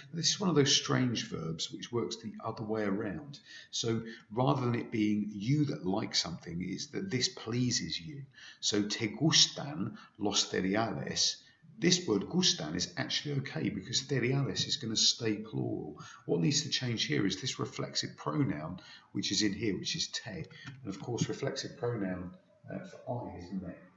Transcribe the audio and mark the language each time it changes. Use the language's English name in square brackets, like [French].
[English] This is one of those strange verbs which works the other way around. So rather than it being you that like something, it's that this pleases you. [Spanish] So, ¿te gustan los cereales? [English] This word gustan is actually okay because cereales is going to stay plural. What needs to change here is this reflexive pronoun, which is in here, which is te. And of course, reflexive pronoun for I is me.